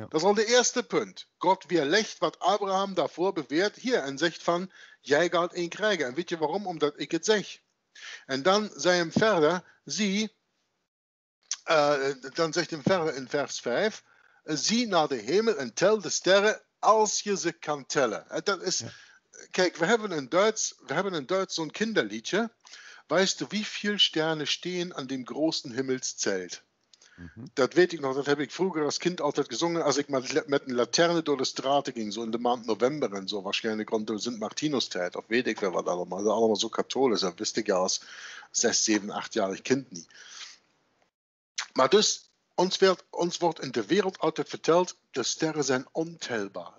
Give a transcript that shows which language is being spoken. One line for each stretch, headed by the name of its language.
Dutch: Dat is al de eerste punt. God weerlegt wat Abraham daarvoor beweert hier en zegt van, jij gaat een krijgen. En weet je waarom? Omdat ik het zeg. En dan zei hem verder, zie, dan zegt hem verder in vers 5, zie naar de hemel en tel de sterren als je ze kan tellen. Dat is, ja. Kijk, we hebben in Duits zo'n Kinderliedje.
German: Weißt du, wie viele Sterne stehen an dem großen Himmelszelt?
Dutch: Das weet ik nog, dat heb ik vroeger als kind altijd gesungen, als ik met een Laterne door de straten ging, so in de maand November en so,
German: wahrscheinlich
Dutch: rond de Sint-Martinus-Tijd, of weet ik wel wat allemaal, dat allemaal so katholisch, dat wist ik ja als 6, 7, 8-jarig kind niet. Maar dus, ons wordt in de wereld altijd verteld, de sterren zijn ontelbaar.